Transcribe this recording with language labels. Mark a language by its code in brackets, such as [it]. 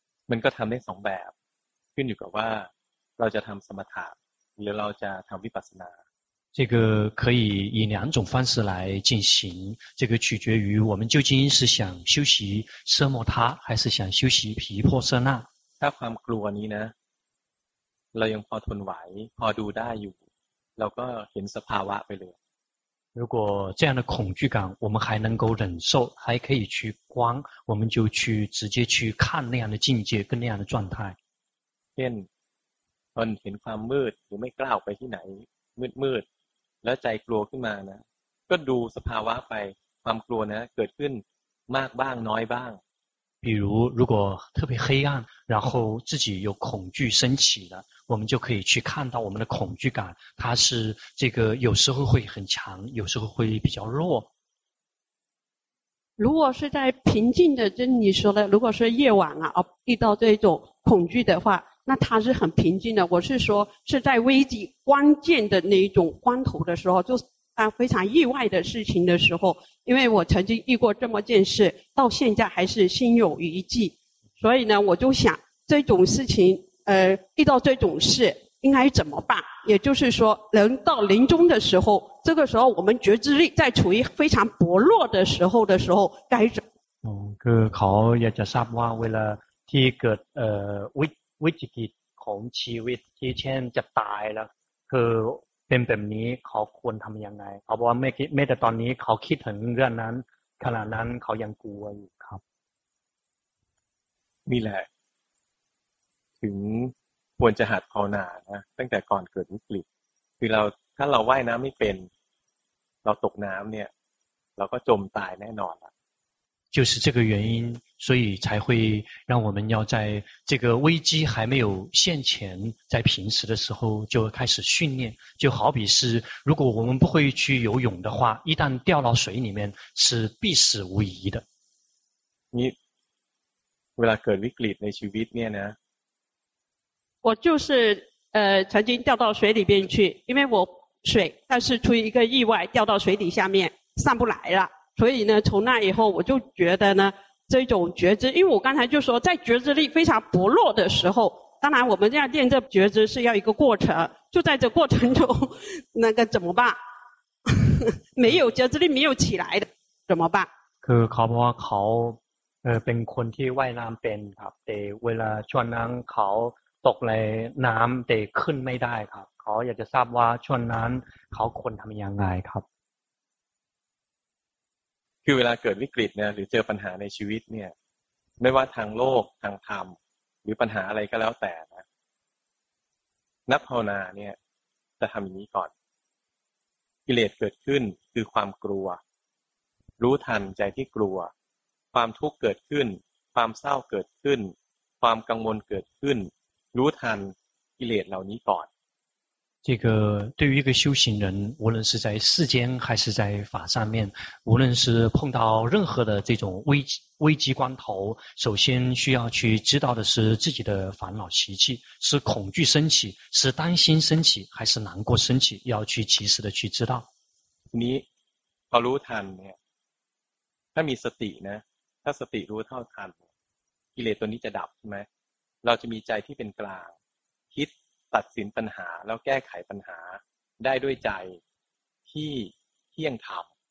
[th] มันก็ทำได้สองแบบขึ้นอยู่กับว่าเราจะทำสมถะหรือเราจะทำวิปัสสนา [zh] 这个可以以两种方式来进行，这个取决于我们究竟是想修习奢摩他，还是想修习毗婆舍那。 [th] ถ้าความกลัวนี้นะ，เรายังพอทนไหว，พอดูได้อยู่，เราก็เห็นสภาวะไปเลย。 [zh] 如果这样的恐惧感我们还能够忍受，还可以去观，我们就去直接去看那样的境界跟那样的状态。 [th] เช่น，ตอนเห็นความมืดหรือไม่กล้าไปที่ไหนมืดแล้วใจกลัวขึ้นมานะก็ดูสภาวะไปความกลัวนะเกิดขึ้นมากบ้างน้อยบ้าง [zh] 比如如果特别黑暗然后自己有恐惧升起了我们就可以去看到我们的恐惧感它是这个有时候会很强有时候会比较弱如果是在平静的就你说的如果是夜晚啊遇到这种恐惧的话那他是很平静的我是说是在危机关键的那一种关头的时候就是非常意外的事情的时候因为我曾经遇过这么件事到现在还是心有余悸所以呢我就想这种事情遇到这种事应该怎么办也就是说人到临终的时候这个时候我们觉知力在处于非常薄弱的时候的时候该怎么办 [th] คือเขาอยากจะทราบว่าเวลาที่เกิดวิกฤตของชีวิตที่เช่นจะตายแล้วคือเป็นแบบนี้เขาควรทำยังไงเขาบอกว่าไม่คิดไม่แต่ตอนนี้เขาคิดถึงเรื่องนั้นขณะนั้นเขายังกลัวอยู่ครับ นี่แหละถึงควรจะหัดภาวนานะตั้งแต่ก่อนเกิดวิกฤตคือเราถ้าเราว่ายน้ำไม่เป็นเราตกน้ำเนี่ยเราก็จมตายแน่นอน [zh] 就是这个原因所以才会让我们要在这个危机还没有现前在平时的时候就开始训练就好比是如果我们不会去游泳的话一旦掉到水里面是必死无疑的你 [th] เวลาเกิดวิกฤตในชีวิตเนี่ยนะ [zh] 我就是曾经掉到水里边去因为我水但是出于一个意外掉到水底下面上不来了所以呢从那以后我就觉得呢这种觉知因为我刚才就说在觉知力非常薄弱的时候当然我们这样练这觉知是要一个过程就在这过程中那个怎么办没有觉知力没有起来的怎么办 [th] คือเขาบอกว่าเขาเป็นคนที่ว่ายน้ำเป็นครับแต่เวลาช่วงนั้นเขาตกในน้ำแต่ขึ้นไม่ได้ครับเขาอยากจะทราบว่าช่วงนั้นเขาควรทำยังไงครับ คือเวลาเกิดวิกฤตเนี่ยหรือเจอปัญหาในชีวิตเนี่ยไม่ว่าทางโลกทางธรรมหรือปัญหาอะไรก็แล้วแต่นะนักภาวนาเนี่ยจะทำอย่างนี้ก่อนกิเลสเกิดขึ้นคือความกลัวรู้ทันใจที่กลัวความทุกข์เกิดขึ้นความเศร้าเกิดขึ้นความกังวลเกิดขึ้นรู้ทันกิเลสเหล่านี้ก่อน [zh] 这个对于一个修行人无论是在世间还是在法上面无论是碰到任何的这种危机关头首先需要去知道的是自己的烦恼习气是恐惧升起是担心升起还是难过升起要去及时的去知道你 [th] พอรู้ทันเนี่ยถ้ามีสตินะถ้าสติรู้เท่าทันกิเลสตัวนี้จะดับใช่มั้ยเราจะมีใจที่เป็นกลางคิดตัดสินปัญหาแล้วแก้ไขปัญหาได้ด้วยใจที่เที่ยงธรรม